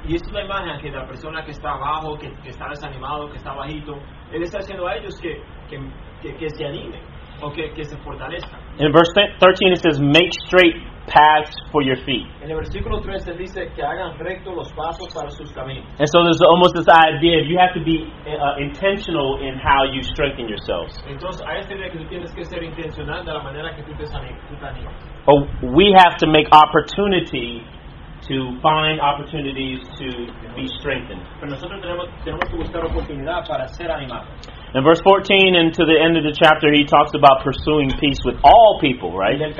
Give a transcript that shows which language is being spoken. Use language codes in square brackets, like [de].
[es] Y esta es la imagen que la persona que está abajo, que está desanimado, que está bajito, él está diciendo a ellos que se anime o que se fortalezca. [en] In verse 13 it says, make straight paths for your feet. [es] En el versículo 13 dice que hagan recto los pasos para sus caminos. [en] And so there's almost this idea you have to be intentional in how you strengthen yourselves. [es] Entonces hay esta idea que tú tienes que ser intencional de la manera que tú te sanas. [en] Oh, we have to make opportunity to find opportunities to be strengthened. [es] Pero nosotros tenemos que buscar oportunidad para ser animados. [en] In verse 14 and to the end of the chapter, he talks about pursuing peace with all people, right?